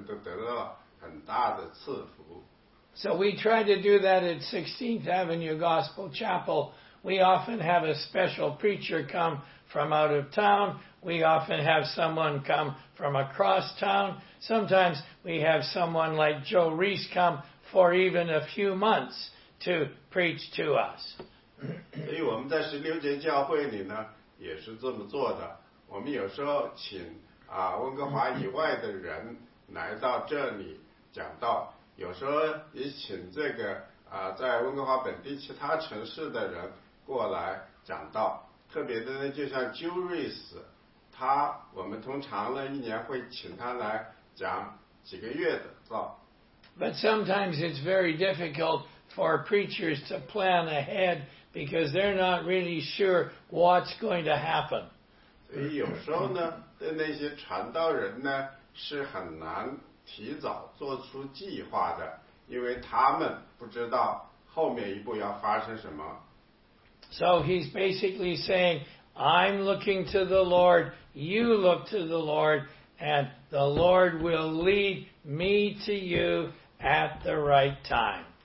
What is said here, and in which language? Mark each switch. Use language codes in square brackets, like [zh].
[zh] 从这里呢，那些属神的人从一个地方去到另一个地方去传信息，这所有的人都得到很大的赐福。 [en] So we try to do that at 16th Avenue Gospel Chapel. We often have a special preacher come from out of town. We often have someone come from across town. Sometimes we have someone like Joe Reese come for even a few months to preach to us. [zh] 所以我们在16节教会里呢，也是这么做的。我们有时候请温哥华以外的人来到这里讲道，有时候也请这个在温哥华本地其他城市的人过来讲道。特别的呢，就像Juris，他我们通常呢一年会请他来讲几个月的。 [en] But sometimes it's very difficult for preachers to plan ahead because they're not really sure what's going to happen. [zh] 所以有时候呢，对那些传道人呢，是很难提早做出计划的，因为他们不知道后面一步要发生什么。 [en] So he's basically saying, I'm looking to the Lord, you look to the Lord, and the Lord will lead me to you at the right time.